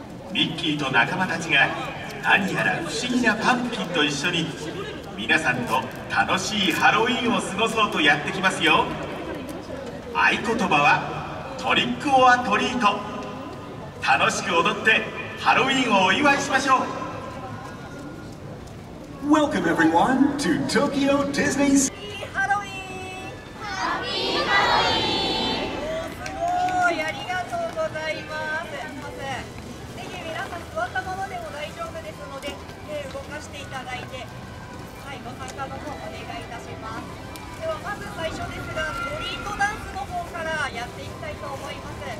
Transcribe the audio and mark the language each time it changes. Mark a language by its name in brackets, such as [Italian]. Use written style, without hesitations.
[Japanese] ミッキーと仲間たちが何やら不思議なパンプキンと一緒に皆さんと楽しいハロウィンを過ごそうとやってきますよ。合言葉はトリックオアトリート。楽しく踊ってハロウィンをお祝いしましょう。 [English] Welcome everyone to Tokyo Disney's [Japanese] ハッピーハロウィン。ハッピーハロウィン。すごい、ありがとうございます。ぜひ皆さん座ったままでも大丈夫ですので、動かしていただいて、はい、ご参加の方お願いいたします。ではまず最初ですが、トリートダンスの方からやっていきたいと思います。